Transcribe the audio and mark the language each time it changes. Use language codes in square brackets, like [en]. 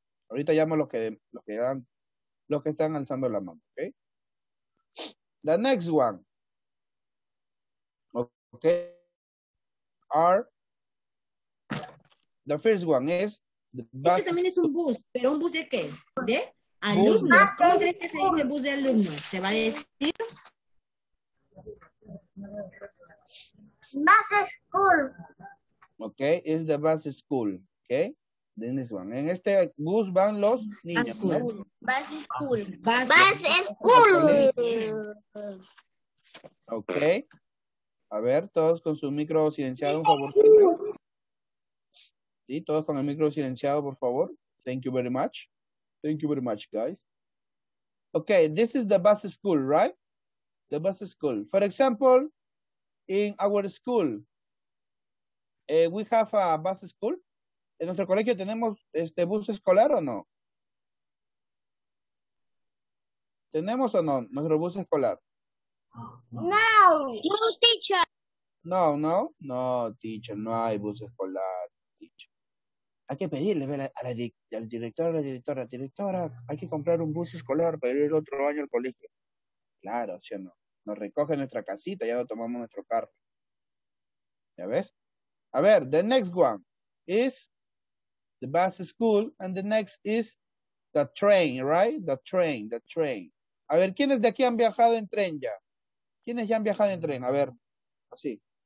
[es] Ahorita llamo a los que están alzando la mano, okay? [en] The next one, okay, are, the first one is, the bus. [es] Este también es un bus, pero ¿un bus de qué? ¿De alumnos? ¿Cómo crees que se dice bus de alumnos? ¿Se va a decir? [en] Bus school. Okay, is the bus school. Okay, then this one. [es] En este bus van los niños. [en] Bus school. [es] ¿No? [en] Bus school. Bus school. [es] Okay. A ver, todos con su micro silenciado, por favor. Sí, todos con el micro silenciado, por favor. [en] Thank you very much. Thank you very much, guys. Okay, this is the bus school, right? The bus school. For example, in our school, we have a bus school. [es] ¿En nuestro colegio tenemos bus escolar o no? ¿Tenemos o no nuestro bus escolar? No. No, teacher. No, no. No, teacher. No hay bus escolar, teacher. Hay que pedirle al director, directora, hay que comprar un bus escolar para ir otro año al colegio. Claro, sí o no. Nos recoge nuestra casita, ya no tomamos nuestro carro. ¿Ya ves? A ver, [en] the next one is the bus school and the next is the train, right? The train. [es] A ver, ¿quiénes de aquí han viajado en tren ya? ¿Quiénes ya han viajado en tren? A ver, así.